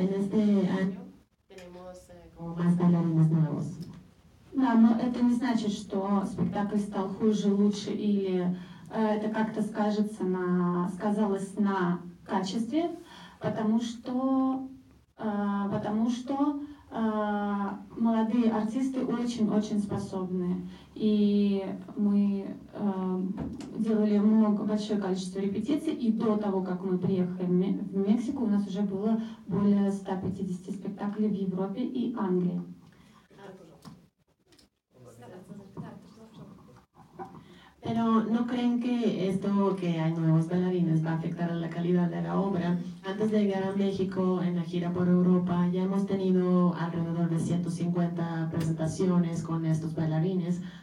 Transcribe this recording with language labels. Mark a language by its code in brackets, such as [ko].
[es] en este año tenemos como más bailarines nuevos. [ru] Да, но это не значит, что спектакль стал хуже, лучше, или это как-то сказалось на качестве, потому что молодые артисты очень-очень способны. И мы делали большое количество репетиций, и до того, как мы приехали в Мексику, у нас уже было более 150 спектаклей в Европе и Англии. [es] Pero no creen que esto, que hay nuevos bailarines, va a afectar a la calidad de la obra. Antes de llegar a México, en la gira por Europa, ya hemos tenido alrededor de 150 presentaciones con estos bailarines.